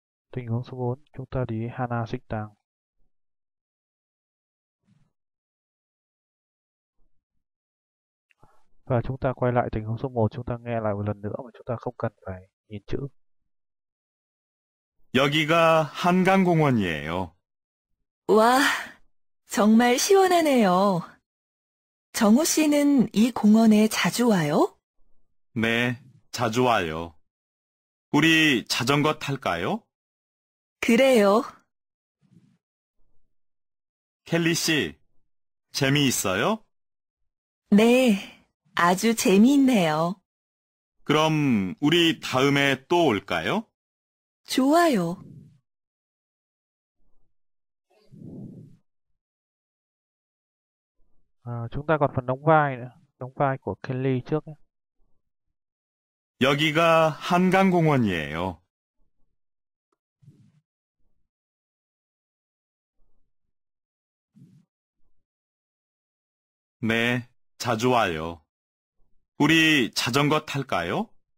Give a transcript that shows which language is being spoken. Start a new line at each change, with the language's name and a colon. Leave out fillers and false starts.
Vietnamese: Tình huống số 4, chúng ta đi Hana Xích Tàng. Và chúng ta quay lại tình huống số 1, chúng ta nghe lại một lần nữa mà chúng ta không cần phải nhìn chữ.
Korean: 여기가 한강공원이에요. 와, 정말 시원하네요. 정우 씨는 이 공원에 자주 와요? 네, 자주 와요. 우리 자전거 탈까요? 그래요. 켈리 씨, 재미있어요? 네, 아주 재미있네요. 그럼 우리 다음에 또 올까요? 좋아요.
Vietnamese: chúng ta còn phần đóng vai nữa, đóng vai của Kelly trước nhé.
Korean: 여기가 한강공원이에요. 네, 자주 와요. 우리 자전거 탈까요?